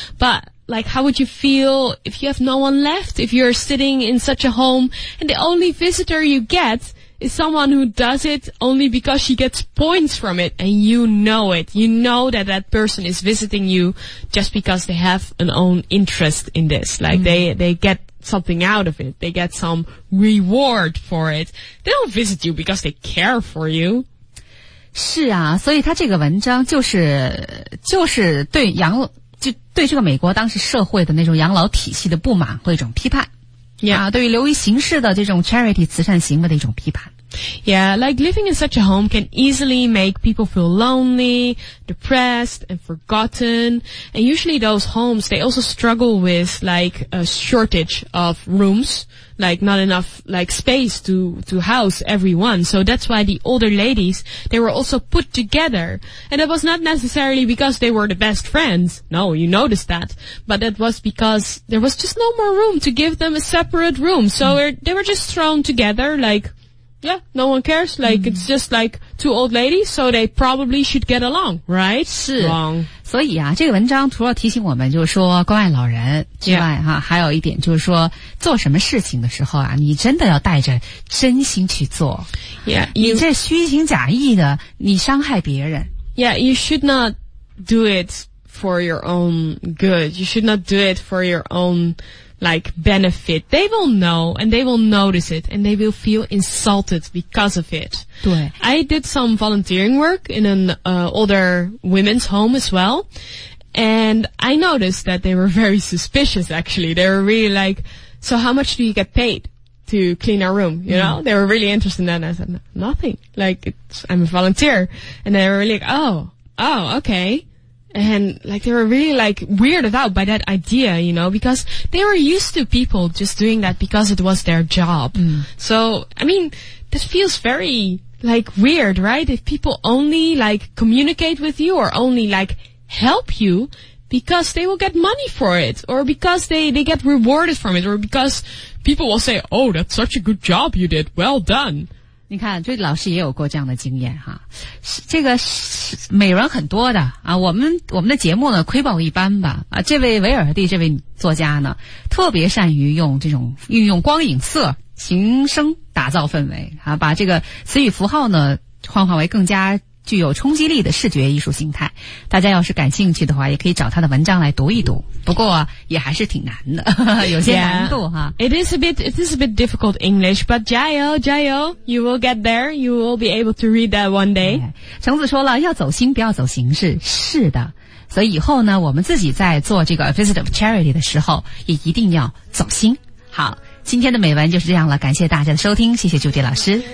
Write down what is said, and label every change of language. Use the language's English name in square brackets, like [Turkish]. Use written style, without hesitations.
[English] But, like, how would you feel if you have no one left, if you're sitting in such a home, and the only visitor you get is someone who does it only because she gets points from it, and you know it. You know that that person is visiting you just because they have an own interest in this. Like, they get something out of it. They get some reward for it. They don't visit you because they care for you. [Chinese] 是啊，所以他这个文章就是对养，就对这个美国当时社会的那种养老体系的不满和一种批判。 [English] Yeah, [Chinese] 对于流于形式的这种 charity 慈善行为的一种批判。 [English] Yeah, like living in such a home can easily make people feel lonely, depressed, and forgotten. And usually those homes, they also struggle with like a shortage of rooms, like not enough like space to house everyone. So that's why the older ladies, they were also put together. And it was not necessarily because they were the best friends. No, you noticed that. But that was because there was just no more room to give them a separate room. So they were just thrown together like... Yeah, no one cares. Like, it's just like two old ladies, so they probably should get along, right? [Chinese] 是。 [English] Wrong. [Chinese] 所以啊，这个文章除了提醒我们就是说关爱老人之外哈、 [English] yeah. [Chinese] 啊、还有一点就是说做什么事情的时候啊，你真的要带着真心去做。 [English] Yeah, [Chinese] 你这虚情假意的，你伤害别人。 [English] Yeah, you should not do it for your own good. You should not do it for your own... like benefit. They will know and they will notice it and they will feel insulted because of it. [Chinese] 对。 [English] I did some volunteering work in an older women's home as well. And I noticed that they were very suspicious actually. They were really like, so how much do you get paid to clean our room? You know, they were really interested in that. And I said, nothing. Like, I'm a volunteer. And they were like, oh, okay. And, like, they were really, like, weirded out by that idea, you know, because they were used to people just doing that because it was their job. Mm. So, I mean, that feels very, like, weird, right? If people only, like, communicate with you or only, like, help you because they will get money for it or because they get rewarded from it or because people will say, oh, that's such a good job you did. Well done. [Chinese] 你看，这老师也有过这样的经验哈。这个是美人很多的啊，我们的节目呢窥豹一般吧啊。这位维尔蒂这位作家呢，特别善于用这种运用光影色形声打造氛围啊，把这个词语符号呢幻化为更加具有冲击力的视觉艺术形态。大家要是感兴趣的话，也可以找他的文章来读一读。不过也还是挺难的，有些难度哈。 [English] Yeah, it is a bit difficult English, but [Chinese] 加油加油 [English] ，You will get there. You will be able to read that one day. [Chinese] 橙子说了，要走心，不要走形式。是的，所以以后呢，我们自己在做这个 [English] visit of charity [Chinese] 的时候，也一定要走心。好，今天的美文就是这样了，感谢大家的收听，谢谢朱迪老师。